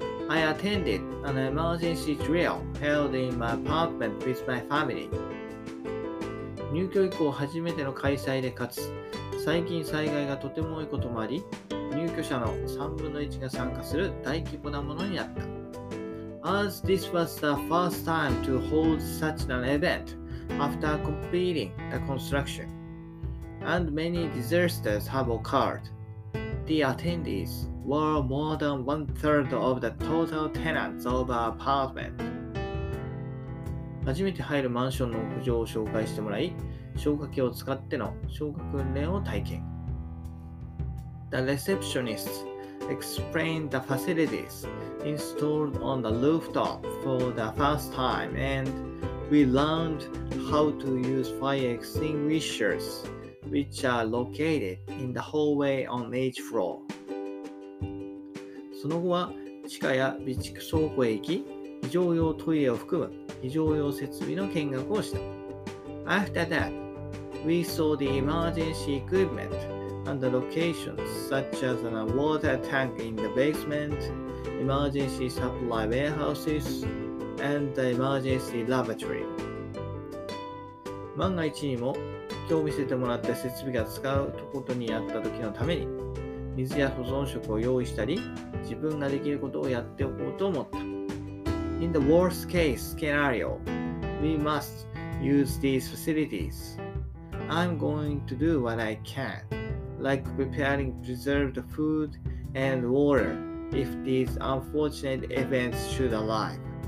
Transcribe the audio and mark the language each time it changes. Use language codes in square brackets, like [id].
[en] I attended an emergency drill held in my apartment with my family. [ja] 入居以降初めての開催でかつ、最近災害がとても多いこともあり、入居者の3分の1が参加する大規模なものになった。 [en] As this was the first time to hold such an event after completing the construction, and many disasters have occurred, the attendees were more than one third of the total tenants of our apartment. [ja] 初めて入るマンションの屋上を紹介してもらい、消火器を使っての消火訓練を体験。 [en] The receptionist explained the facilities installed on the rooftop for the first time, and we learned how to use fire extinguishers, which are located in the hallway on each floor. [ja] その後は地下や備蓄倉庫へ行き、非常用トイレを含む非常用設備の見学をした。 [en] After that, we saw the emergency equipment. And the locations such as a water tank in the basement, emergency supply warehouses, and the emergency lavatory. [ja] 万が一にも今日見せてもらった設備が使うことにあった時のために水や保存食を用意したり自分ができることをやっておこうと思った。 [en] In the worst case scenario, we must use these facilities. I'm going to do what I canLike preparing preserved food and water if these unfortunate events should arrive.